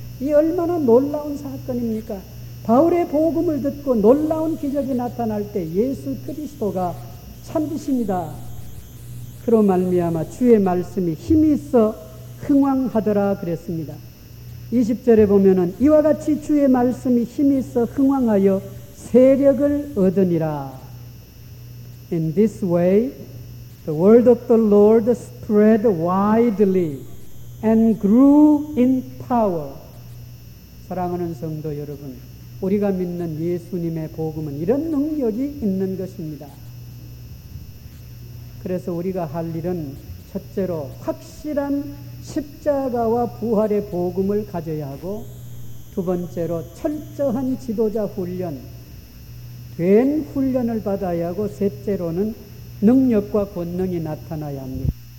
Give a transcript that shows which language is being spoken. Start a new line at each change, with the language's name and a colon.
Korean: 이 얼마나 놀라운 사건입니까? 바울의 복음을 듣고 놀라운 기적이 나타날 때 예수 그리스도가 참되십니다. 그로 말미암아 주의 말씀이 힘이 있어 흥왕하더라 그랬습니다. 20절에 보면은 이와 같이 주의 말씀이 힘이 있어 흥왕하여 세력을 얻으니라.
English: In this way, the word of the Lord spread widely and grew in power.
Korean: 사랑하는 성도 여러분, 우리가 믿는 예수님의 복음은 이런 능력이 있는 것입니다. 그래서 우리가 할 일은 첫째로 확실한 십자가와 부활의 복음을 가져야 하고, 두 번째로 철저한 지도자 훈련, 된 훈련을 받아야 하고, 셋째로는 능력과 권능이 나타나야 합니다.